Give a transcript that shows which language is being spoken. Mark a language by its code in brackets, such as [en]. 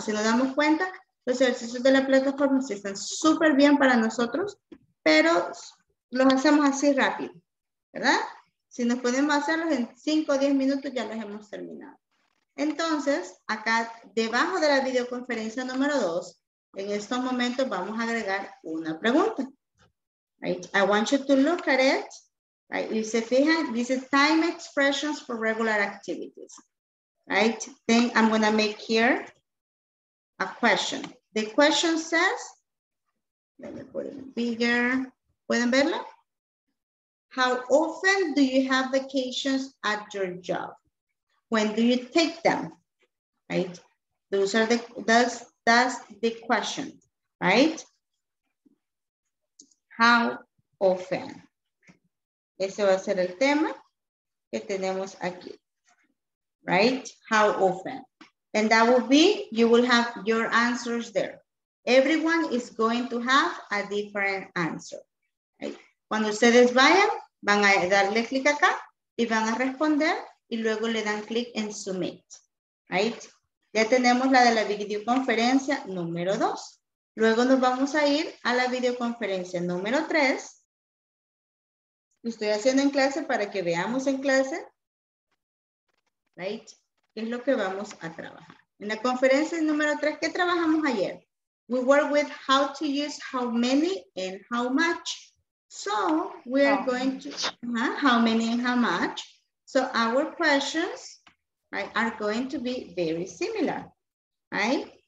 [es] Si nos damos cuenta, los ejercicios de la plataforma sí están súper bien para nosotros, pero los hacemos así rápido, ¿verdad? Si nos ponemos a hacerlos en 5 o 10 minutos, ya los hemos terminado. Entonces, acá debajo de la videoconferencia número 2, en estos momentos vamos a agregar una pregunta. [en] Right? I want you to look at it. Right? Y se fijan, this is time expressions for regular activities. Right? Then I'm going to make here a question. The question says, let me put it bigger. ¿Pueden verla? How often do you have vacations at your job? When do you take them? Right? Those are the, that's the question, right? How often? [es] Ese va a ser el tema que tenemos aquí, right? [en] How often? And that will be, you will have your answers there. Everyone is going to have a different answer. [es] Cuando ustedes vayan, van a darle clic acá y van a responder y luego le dan clic en submit, right? Ya tenemos la de la videoconferencia número 2. Luego nos vamos a ir a la videoconferencia número 3. Lo estoy haciendo en clase para que veamos en clase, right? ¿Qué es lo que vamos a trabajar? En la conferencia número 3, ¿qué trabajamos ayer? [en] We work with how to use how many and how much. So we are going to, how many and how much. So our questions, right, are going to be very similar, right?